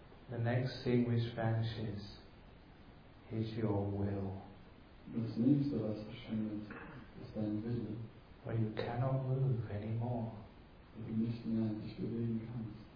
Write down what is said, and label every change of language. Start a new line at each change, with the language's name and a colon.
English: The next thing which vanishes is your will.
German: Das nächste, was erscheint, ist dein Wille.
English: Where you cannot move anymore.
German: Wo du nicht mehr dich bewegen kannst.